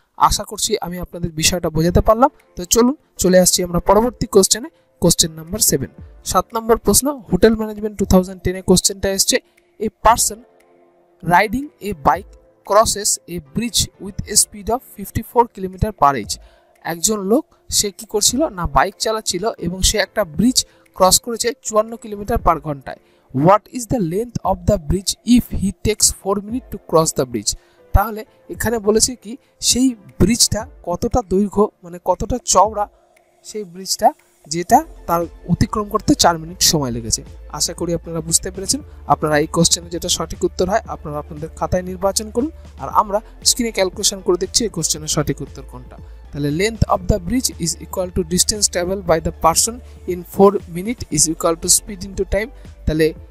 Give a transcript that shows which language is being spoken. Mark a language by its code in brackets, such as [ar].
[bn] আশা করছি আমি আপনাদের বিষয়টা বোঝাতে পারলাম। তো চলুন চলে আসছি আমরা পরবর্তী কোশ্চেনে, কোশ্চেন নাম্বার 7, 7 নম্বর প্রশ্ন, হোটেল ম্যানেজমেন্ট 2010 কোশ্চেনটা এসছে। [en] a person riding a bike crosses a bridge with a speed of 54 kilometre per hour, [bn] একজন লোক সে কি করছিল, না বাইক চালাচ্ছিল এবং সে একটা ব্রিজ ক্রস করেছে 54 কিলোমিটার পার ঘন্টায়। [en] What is the length of the bridge if he takes 4 minutes to cross the bridge? [bn] তাহলে এখানে বলেছে কি সেই ব্রিজটা কতটা দৈর্ঘ্য মানে কতটা চওড়া সেই ব্রিজটা যেটা তার অতিক্রম করতে 4 মিনিট সময় লেগেছে আশা করি আপনারা বুঝতে পেরেছেন আপনারা এই কোশ্চেনে যেটা সঠিক উত্তর হয় আপনারা আপনাদের খাতায় নির্বাচন করুন আর আমরা স্ক্রিনে ক্যালকুলেশন করে দেখছি এই কোশ্চেনের সঠিক উত্তর কোনটা তাহলে [en] length of the bridge is equal to distance travel by the person in 4 minute is equal to speed into time [bn] তাহলে